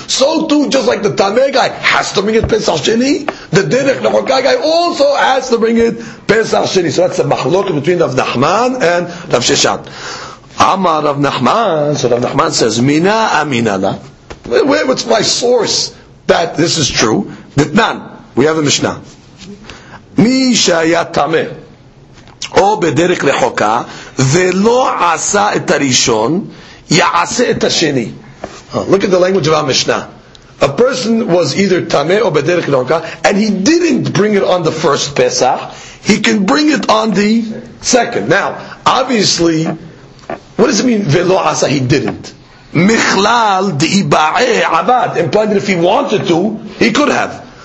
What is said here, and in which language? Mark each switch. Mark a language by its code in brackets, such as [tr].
[en] So too, just like the Tameh guy has to bring it Pesach Sheni, the Derech Lechokah guy also has to bring it Pesach Sheni. So that's the machlok between Rav Nachman and Rav Sheshat. Amar Rav Nachman, so Rav Nachman says, [arc] Mina Aminala. [en] Where was my source that this is true? Ditnan, we have a Mishnah. [he] Mi Shaya Tameh. או בדרך לחוקה, ולא עשה את הראשון, יעשה את השני. [en] Look at the language of Amishnah. A person was either tameh or bederek lechoka, and he didn't bring it on the first Pesach, he can bring it on the second. Now, obviously, what does it mean, [he] ולא עשה, [en] he didn't? [arc] מכלל דיבעי עבד, [en] implying that if he wanted to, he could have.